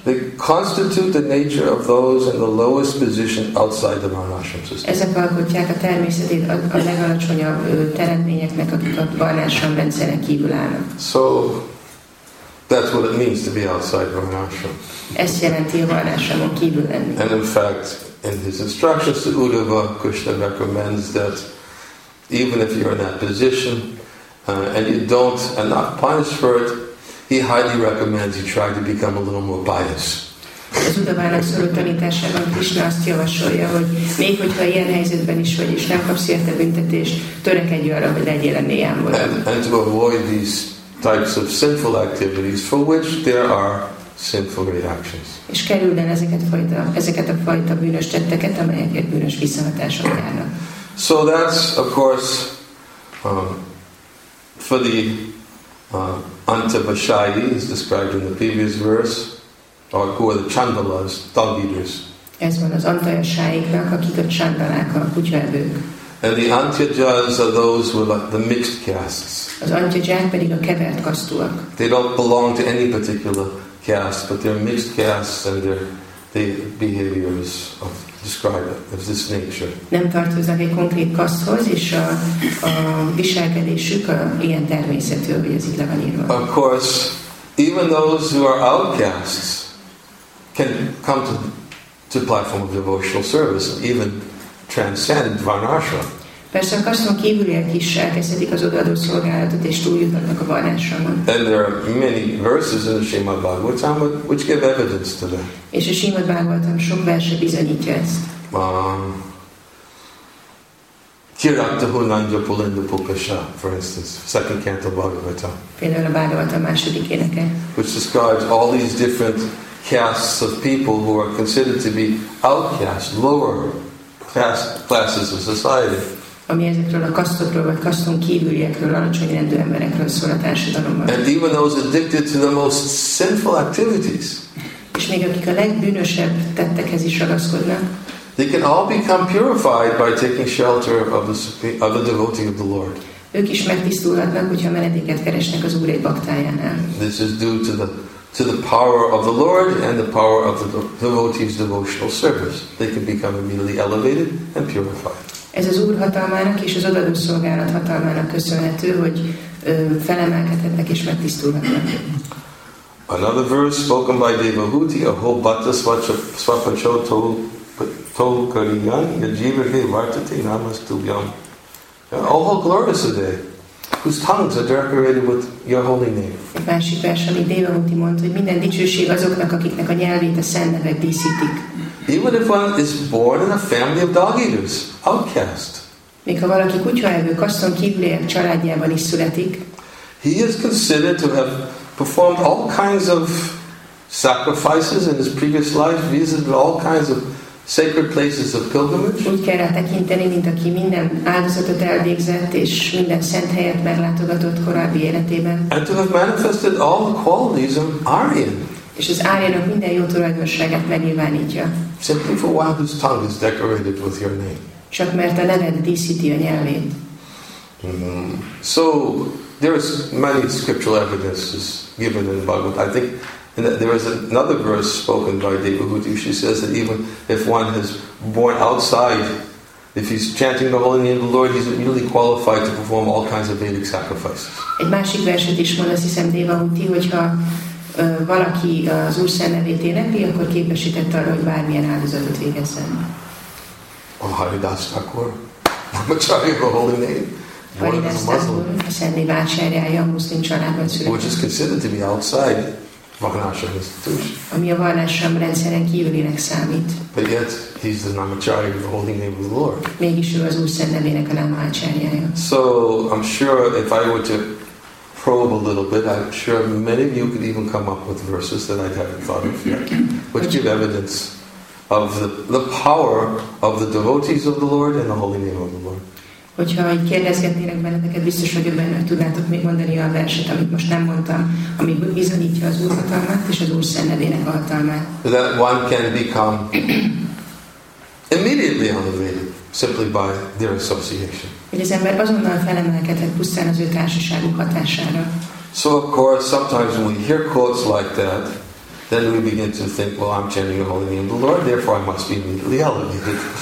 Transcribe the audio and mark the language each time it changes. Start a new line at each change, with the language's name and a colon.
English: They constitute the nature of those in the lowest position outside the Varnashram system.
Hungarian: Ezek alkotják a természetét a legalacsonyabb teremtményeknek, akik a Varnashram rendszeren kívül állnak.
English: So, that's what it means to be outside Varnashram.
Hungarian: Ez jelenti a Varnashramon kívül lenni.
English: And in fact, in his instructions to Uddhava, Krishna recommends that even if you're in that position and you don't and not punished for it, he highly recommends you try to become a little more pious.
Hungarian: Az Uddhavának szóló tanításában Krishna azt javasolja, hogy még hogyha ilyen helyzetben is vagy, és nem kapsz érte büntetést, törekedj arra, hogy legyél ennél jámbor.
English: And to avoid these types of sinful activities for which there are sinful reactions.
Hungarian: És kerüld el ezeket a fajta bűnös tetteket, amelyeket bűnös visszahatások járnak.
English: So that's, of course, for the antavashayi, is described in the previous verse, or who are the chandalas, dog eaters.
Hungarian: Ez van az antavashayiknak, akik a chandalák, a kutyaevők.
English: And the antyajas are those who are like the mixed castes.
Hungarian: Az antyajak pedig a kevert kasztúak.
English: They don't belong to any particular caste, but they're mixed castes and they're the behaviors of describe it of this nature.
Hungarian: Nem tartoznak egy konkrét kaszthoz, és a viselkedésük ilyen természetű, hogy ez így le van írva.
English: Of course, even those who are outcasts can come to platform of devotional service, even transcend Varnashram.
Hungarian: Persze a kaszthon kívüliek is elkezdhetik az odaadó szolgálatot, és túljutnak a Varnashramon.
English: And there are many verses in the Srimad Bhagavatam which give evidence to that.
Hungarian: És a Srimad Bhagavatam sok verse bizonyítja ezt.
Sanskrit: Kiraktahu nandja pulinda pukasha,
English: for instance, second canto Bhagavatam.
Hungarian: Például a Bhagavatam második éneke.
English: Which describes all these different castes of people who are considered to be outcasts, lower classes of society.
Hungarian: Ami ezekről a kasztokról, vagy kaszton kívüliekről, alacsony rendű emberekről szól a társadalomban.
English: And even those addicted to the most sinful activities.
Hungarian: És még akik a legbűnösebb tettekhez is ragaszkodnak.
English: They can all become purified by taking shelter of the devotee of the Lord.
Hungarian: Ők is megtisztulhatnak, hogyha menedéket keresnek az Úr egy baktájánál.
English: This is due to the power of the Lord and the power of the devotee's devotional service. They can become immediately elevated and purified.
Hungarian: Ez az Úr hatalmának és az odaadó szolgálat hatalmának köszönhető, hogy felemelkedhetnek és megtisztulhatnak.
English: Another verse spoken by Devahuti,
Sanskrit: a whole bhatta svapacho tol kariyan, yajivahe vartate namastubyam.
English: Oh, how glorious a day! Whose tongues are decorated with your holy name.
Hungarian: Egy másik vers, ami Dévamúti mondta, hogy minden dicsőség azoknak, akiknek a nyelvét a szent nevek díszítik.
English: Even if one is born in a family of dog eaters, outcast.
Hungarian: Még ha valaki kutyaevő, kaszton kívüliek családjában is születik.
English: He is considered to have performed all kinds of sacrifices in his previous life, visited all kinds of sacred places of pilgrimage.
Hungarian: Úgy kell rá tekinteni, mint aki minden áldozatot elvégzett és minden szent helyet meglátogatott korábbi életében.
English: And to have manifested all the qualities of Aryan.
Hungarian: És az Áriának minden jó tulajdonságát megnyilvánítja.
English: Simply for one whose tongue is decorated with your name.
Hungarian: Csak mert a neved díszíti a nyelvét.
English: So there is many scriptural evidences given in Bhagavad. I think there is another verse spoken by Devahuti. She says that even if one is born outside, if he's chanting the holy name of the Lord, he's immediately qualified to perform all kinds of Vedic sacrifices.
Hungarian: Egy másik verset is mond, azt hiszem Devahuti, hogyha valaki az Úr szent nevét énekli, akkor képesített arra, hogy bármilyen áldozatot végezzen.
English: A Haridas Thakur, Brahmacharya, the holy name. Which is considered to be outside Varnashram institution. But yet, he's the Namacharya of the holy name of the Lord. So, I'm sure if I were to probe a little bit, I'm sure many of you could even come up with verses that I haven't thought of yet, which give evidence of the power of the devotees of the Lord and the holy name of the Lord.
Hungarian: Hogyha így kérdezgetnének benneteket, biztos vagyok benne, hogy tudnátok még mondani a verset, amit most nem mondtam, ami bizonyítja az Úr hatalmát és az Úr szent nevének hatalmát.
English: That one can become immediately elevated simply by their association.
Hungarian: Hogy az ember azonnal felemelkedhet pusztán az ő társaságuk hatására.
English: So of course, sometimes when we hear quotes like that, then we begin to think, well, I'm chanting the holy name of the Lord, therefore I must be immediately elevated.